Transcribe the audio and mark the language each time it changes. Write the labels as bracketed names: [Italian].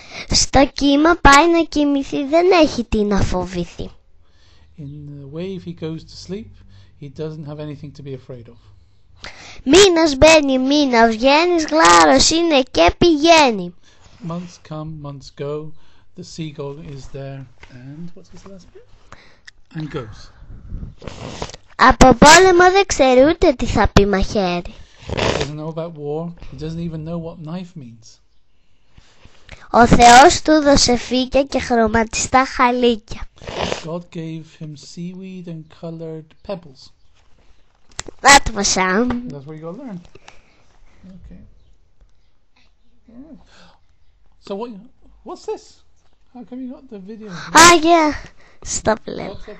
[Greek] Στο κύμα πάει να κοιμηθεί, δεν έχει τι να φοβηθεί. [English] In the wave he goes to sleep, he doesn't have anything to be afraid of. [Greek] Μήνας μπαίνει, μήνα βγαίνει, γλάρος είναι και πηγαίνει. [English] Months come, months go, the seagull is there, and what's his last bit? And goes. [Greek] Από πόλεμο δεν ξέρει ούτε τι θα πει μαχαίρι. [English] He doesn't know about war, he doesn't even know what knife means. [Greek] Ο Θεός του δώσε φύκια και χρωματιστά χαλίκια. [English] God gave him seaweed and colored pebbles. That was some. That's where you go learn. Okay. So what's this? How come you got the video? Ah, yeah. Stop a little.